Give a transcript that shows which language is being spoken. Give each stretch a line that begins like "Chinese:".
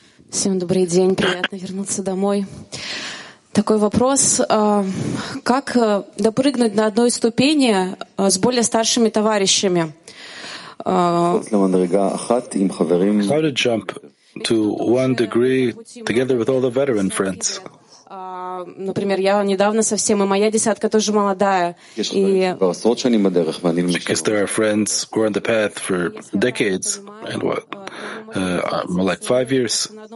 Russian: Всем добрый день, приятно вернуться домой. Такой вопрос. Как допрыгнуть на одной ступени с более старшими товарищами?
English: How to jump to one degree together with all the veteran friends?
Russian: Например, я недавно совсем, и моя десятка тоже молодая.
English: Because there are friends who are on the path for decades, and what, like 5 years.